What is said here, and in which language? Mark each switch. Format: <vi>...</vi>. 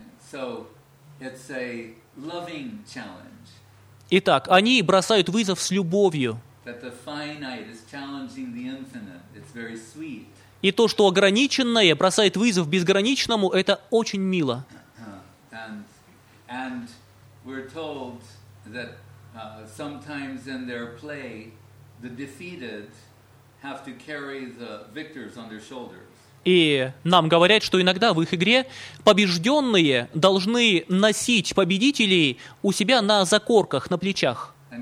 <en>So, it's a loving challenge.</en> <ru>Итак, они бросают вызов с любовью.</ru> <en>That the finite is challenging the infinite. It's very sweet.</en> <ru>И то, что ограниченное бросает вызов безграничному, это очень мило.</ru> <en>And we're told that sometimes in their play the defeated have to carry the victors on their shoulders.</en> <ru>И нам говорят, что иногда в их игре побежденные должны носить победителей у себя на закорках, на плечах.</ru>